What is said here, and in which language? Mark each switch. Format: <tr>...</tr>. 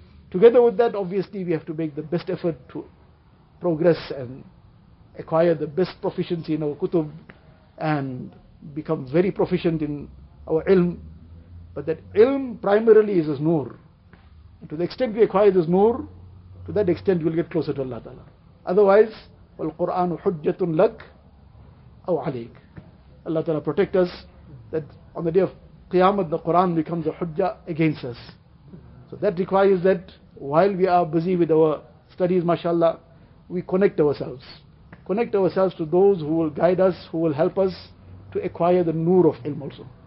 <en>Together with that, obviously, we have to make the best effort to progress and acquire the best proficiency in our kutub and become very proficient in our ilm. But that ilm primarily is his nur. And to the extent we acquire this nur, to that extent we'll get closer to Allah Ta'ala. Otherwise,</en> <ar>وَالْقُرْآنُ حُجَّةٌ لَكْ أَوْ عَلَيْكَ.</ar> <en>Allah Ta'ala protect us, that on the day of Qiyamah the Qur'an becomes a hujjah against us. So that requires that while we are busy with our studies, mashallah, we connect ourselves. Connect ourselves to those who will guide us, who will help us to acquire the nur of ilm also.</en>